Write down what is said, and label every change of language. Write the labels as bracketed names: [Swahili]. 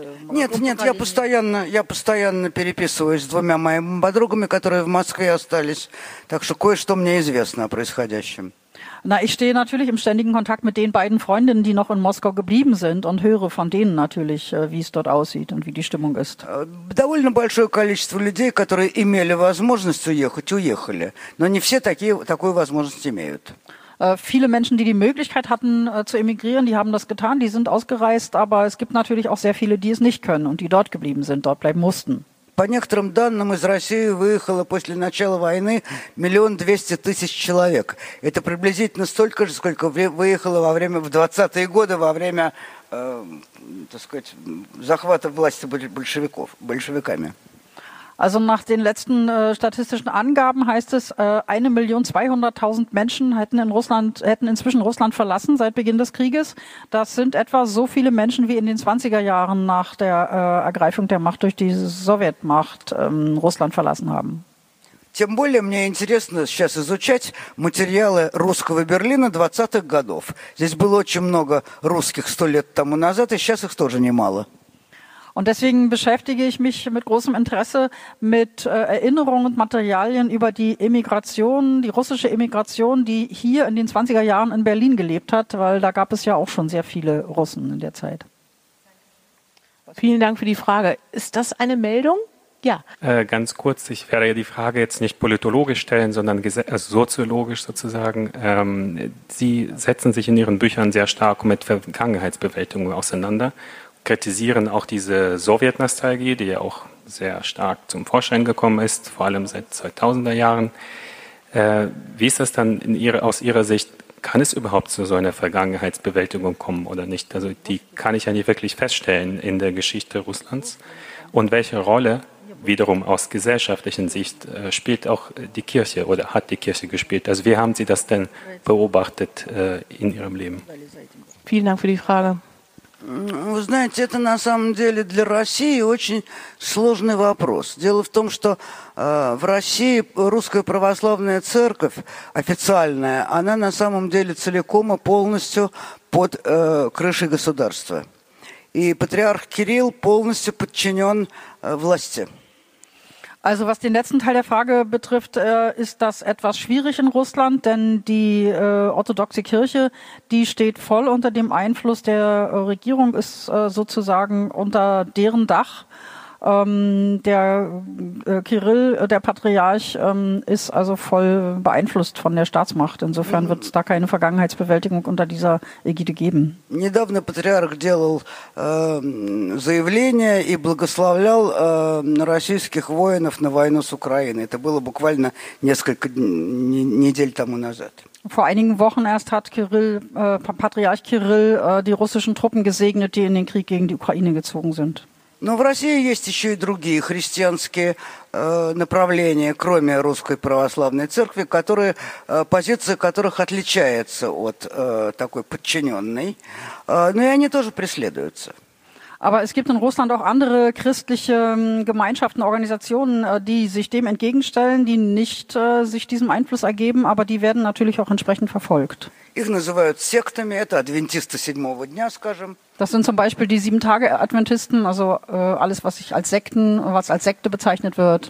[Russian] Нет, я постоянно переписываюсь с двумя моими подругами, которые в Москве остались, так что кое-что мне известно о происходящем. [German] Na, ich stehe natürlich im ständigen Kontakt mit den beiden Freundinnen, die noch in Moskau geblieben sind und höre von denen natürlich, wie es dort aussieht und wie die Stimmung ist. [Russian] Довольно большое количество людей, которые имели возможность уехать, уехали, но не все такую возможность имеют. [German] Viele Menschen, die Möglichkeit hatten zu emigrieren, die haben das getan, die sind ausgereist, aber es gibt natürlich auch sehr viele, die es nicht können und die dort geblieben sind, dort bleiben mussten. [Russian] По некоторым данным, из России выехало после начала войны 1 200 000 человек. Это приблизительно столько же, сколько выехало во время, в 20-е годы, во время, так сказать, захвата власти большевиками. [German] Also nach den letzten statistischen Angaben heißt es, 1.200.000 Menschen hätten inzwischen Russland verlassen seit Beginn des Krieges. Das sind etwa so viele Menschen wie in den 20er Jahren nach der Ergreifung der Macht durch die Sowjetmacht Russland verlassen haben. [Russian] Тем более мне интересно сейчас изучать материалы русского Берлина 20-х годов. Здесь было очень много русских 100 лет тому назад, и сейчас их тоже немало. [German] Und deswegen beschäftige ich mich mit großem Interesse mit Erinnerungen und Materialien über die Emigration, die russische Emigration, die hier in den 20er Jahren in Berlin gelebt hat, weil da gab es ja auch schon sehr viele Russen in der Zeit. Vielen Dank für die Frage. Ist das eine Meldung? Ja. Ganz kurz, ich werde ja die Frage jetzt nicht politologisch stellen, sondern soziologisch sozusagen. Sie setzen sich in Ihren Büchern sehr stark mit Vergangenheitsbewältigung auseinander. Kritisieren auch diese Sowjetnostalgie, die ja auch sehr stark zum Vorschein gekommen ist, vor allem seit 2000er Jahren. Wie ist das dann aus Ihrer Sicht? Kann es überhaupt zu so einer Vergangenheitsbewältigung kommen oder nicht? Also die kann ich ja nicht wirklich feststellen in der Geschichte Russlands. Und welche Rolle wiederum aus gesellschaftlicher Sicht spielt auch die Kirche oder hat die Kirche gespielt? Also wie haben Sie das denn beobachtet in Ihrem Leben? Vielen Dank für die Frage. [Russian] Вы знаете, это на самом деле для России очень сложный вопрос. Дело в том, что в России Русская Православная Церковь официальная, она на самом деле целиком и полностью под крышей государства. И патриарх Кирилл полностью подчинен власти. [German] Also was den letzten Teil der Frage betrifft, ist das etwas schwierig in Russland, denn die orthodoxe Kirche, die steht voll unter dem Einfluss der Regierung, ist sozusagen unter deren Dach. Der Kirill, der Patriarch, ist also voll beeinflusst von der Staatsmacht. Insofern wird es da keine Vergangenheitsbewältigung unter dieser Ägide geben. [Russian] Недавно патриарх делал заявление и благословлял российских воинов на войну с Украиной. Это было буквально несколько недель тому назад. [German] Vor einigen Wochen erst hat Patriarch Kirill die russischen Truppen gesegnet, die in den Krieg gegen die Ukraine gezogen sind. [Russian] Но в России есть еще и другие христианские направления, кроме Русской Православной Церкви, позиция которых отличается от такой подчиненной. Но и они тоже преследуются. [German] Aber es gibt in Russland auch andere christliche Gemeinschaften, Organisationen, die sich dem entgegenstellen, die nicht sich diesem Einfluss ergeben, aber die werden natürlich auch entsprechend verfolgt. [Russian] Их называют сектами, это адвентисты седьмого дня, скажем. [German] Das sind zum Beispiel die Sieben-Tage-Adventisten, also alles, was als Sekte bezeichnet wird.